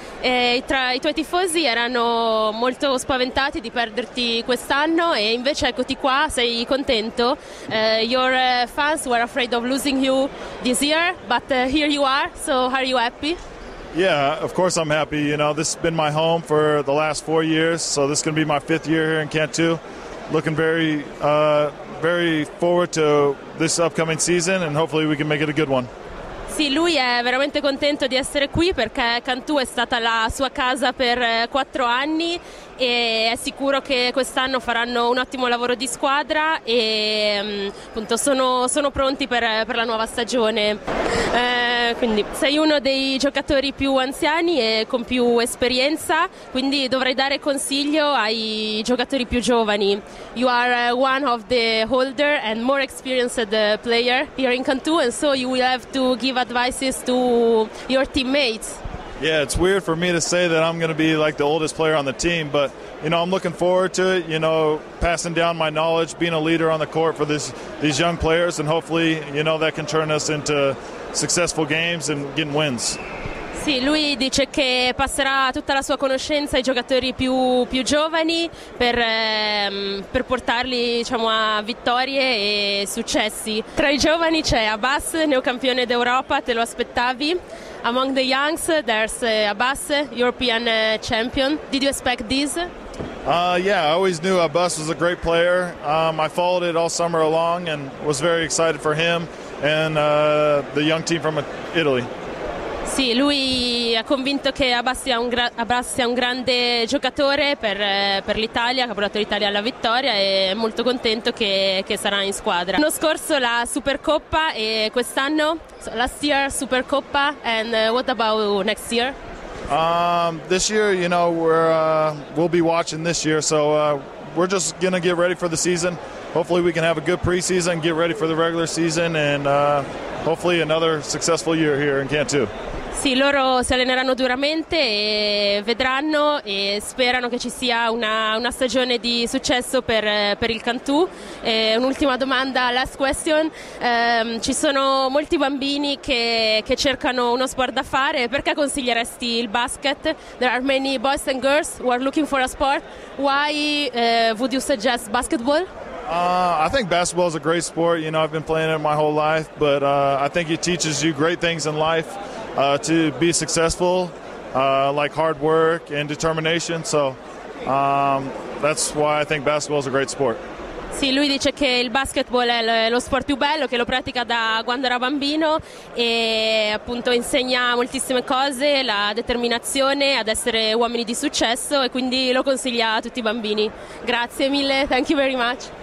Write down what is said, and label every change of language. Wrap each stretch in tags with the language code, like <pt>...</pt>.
<it>Tra i tuoi tifosi erano molto spaventati di perderti quest'anno e invece eccoti qua, sei contento.</it> <en>Your fans were afraid of losing you this year, but here you are, so are you happy? Yeah, of course I'm happy. You know, this has been my home for the last 4 years, so this is going to be my fifth year here in Cantu. Looking very, very forward to this upcoming season, and hopefully we can make it a good one.</en> <it>Sì, lui è veramente contento di essere qui perché Cantu è stata la sua casa per 4 anni e è sicuro che quest'anno faranno un ottimo lavoro di squadra e appunto sono pronti per la nuova stagione. Quindi sei uno dei giocatori più anziani e con più esperienza, quindi dovrei dare consiglio ai giocatori più giovani.</it> <en>You are one of the older and more experienced player here in Cantu, and so you will have to give advices to your teammates. Yeah, it's weird for me to say that I'm going to be like the oldest player on the team, but you know, I'm looking forward to it, you know, passing down my knowledge, being a leader on the court for these young players, and hopefully, you know, that can turn us into successful games and getting wins.</en> <it>Sì, lui dice che passerà tutta la sua conoscenza ai giocatori più giovani per portarli, diciamo, a vittorie e successi. Tra i giovani c'è Abbas, neocampione d'Europa, te lo aspettavi?</it> <en>Among the youngs there's Abbas, European champion. Did you expect this? Yeah, I always knew Abbas was a great player. I followed it all summer along and was very excited for him and the young team from Italy.</en> <it>Sì, lui è convinto che Abbas sia un grande giocatore per l'Italia, che ha portato l'Italia alla vittoria e è molto contento che sarà in squadra. L'anno scorso la Supercoppa e quest'anno,</it> <en>so last year Supercoppa, and what about next year? This year, you know, we'll be watching this year, so we're just going to get ready for the season. Hopefully we can have a good preseason, get ready for the regular season and hopefully another successful year here in Cantu.</en> <it>Sì, loro si alleneranno duramente e vedranno e sperano che ci sia una stagione di successo per il Cantù. E un'ultima domanda,</it> <en>last question.</en> <it>Ci sono molti bambini che cercano uno sport da fare. Perché consiglieresti il basket?</it> <en>There are many boys and girls who are looking for a sport. Why would you suggest basketball? I think basketball is a great sport. You know, I've been playing it my whole life, but I think it teaches you great things in life. To be successful, like hard work and determination. So that's why I think basketball is a great sport.</en> <it>Sì, lui dice che il basketball è lo sport più bello, che lo pratica da quando era bambino e appunto insegna moltissime cose, la determinazione ad essere uomini di successo e quindi lo consiglia a tutti i bambini. Grazie mille,</it> <en>thank you very much.</en>